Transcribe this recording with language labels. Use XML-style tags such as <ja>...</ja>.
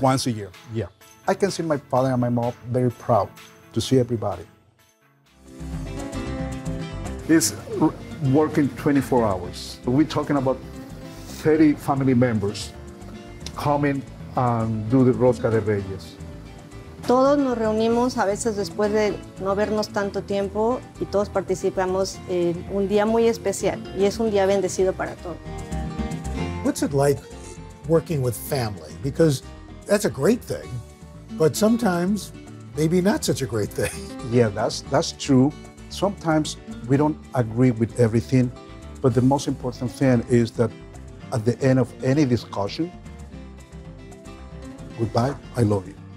<en>Once a year, yeah. I can see my father and my mom very proud to see everybody. It's working 24 hours. We're talking about 30 family members coming and do the Rosca de Reyes.</en> <es>Todos nos reunimos a veces después de no vernos tanto tiempo y todos participamos en un día muy especial y es un día bendecido para todos.</es> <en>What's it like working with family? Because that's a great thing, but sometimes maybe not such a great thing. Yeah, that's true. Sometimes we don't agree with everything, but the most important thing is that at the end of any discussion, goodbye, I love you.</en>